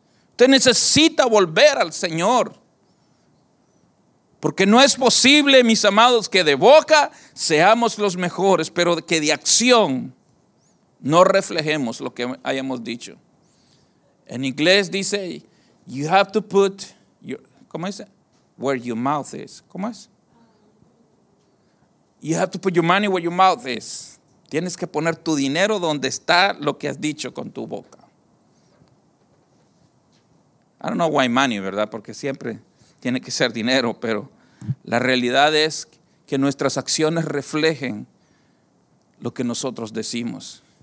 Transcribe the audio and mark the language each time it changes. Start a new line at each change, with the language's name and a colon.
Spanish: Usted necesita volver al Señor. Porque no es posible, mis amados, que de boca seamos los mejores, pero que de acción no reflejemos lo que hayamos dicho. En inglés dice,
English: you have to put your,
Spanish: ¿cómo dice?
English: Where your mouth is.
Spanish: ¿Cómo es?
English: You have to put your money where your mouth is.
Spanish: Tienes que poner tu dinero donde está lo que has dicho con tu boca.
English: I don't know why money,
Spanish: ¿verdad? Porque siempre tiene que ser dinero, pero la realidad es que nuestras acciones reflejen lo que nosotros decimos.